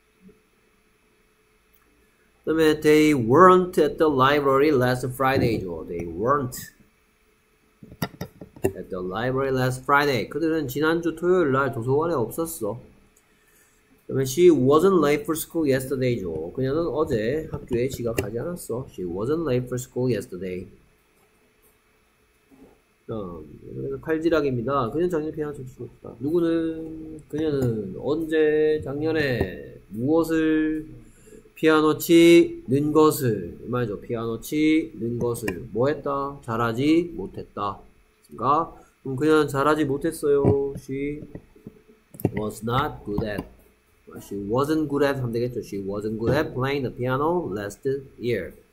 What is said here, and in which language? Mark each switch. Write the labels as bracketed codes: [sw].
[ko] 그 다음에 [en] they weren't at the library last Friday죠. They weren't at the library last Friday. [ko] 그들은 지난주 토요일날 도서관에 없었어. 그 다음에 [en] she wasn't late for school yesterday죠. [ko] 그녀는 어제 학교에 지각하지 않았어. [en] She wasn't late for school yesterday. [ko] 그래서 칼질학입니다. 그녀는 작년에 피아노 칠 수 없다. 그녀는 언제 작년에 무엇을 피아노 치는 것을, 이 말이죠. 피아노 치는 것을 뭐 했다? 잘하지 못했다. 그니까 그럼 그냥 잘하지 못했어요. [en] She was not good at. She wasn't good at [ko] 하면 되겠죠. [en] She wasn't good at playing the piano last year.